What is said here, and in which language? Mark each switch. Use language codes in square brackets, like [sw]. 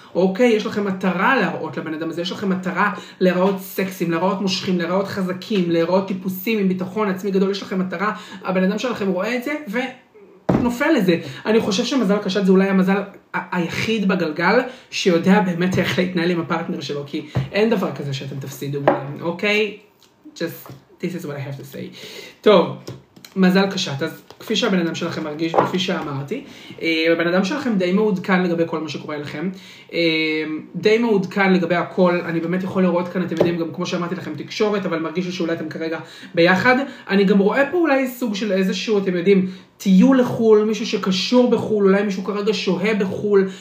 [he] אוקיי, יש לכם מטרה להראות לבן אדם הזה. יש לכם מטרה להראות סקסים, להראות מושכים, להראות חזקים, להראות טיפוסים עם ביטחון עצמי גדול. יש לכם מטרה. הבן אדם שלכם רואה את זה ונופל לזה. אני חושב שמזל קשת זה אולי המזל היחיד בגלגל שיודע באמת איך להתנהל עם הפרטנר שלו, כי אין דבר כזה שאתם תפסידו מולם. אוקיי? [en] This is what I have to say. [he] טוב, מזל קשת. אז כפי שהבן אדם שלכם מרגיש, כפי שאמרתי, הבן אדם שלכם די מעודכן לגבי כל מה שקורה לכם. די מעודכן לגבי הכל. אני באמת יכול לראות כאן, אתם יודעים, גם כמו שאמרתי לכם, תקשורת, אבל מרגיש לי שאולי אתם כרגע ביחד. אני גם רואה פה אולי סוג של איזשהו, אתם יודעים, טיול לחול, מישהו שקשור בחול, אולי מישהו כרגע שוהה בחול.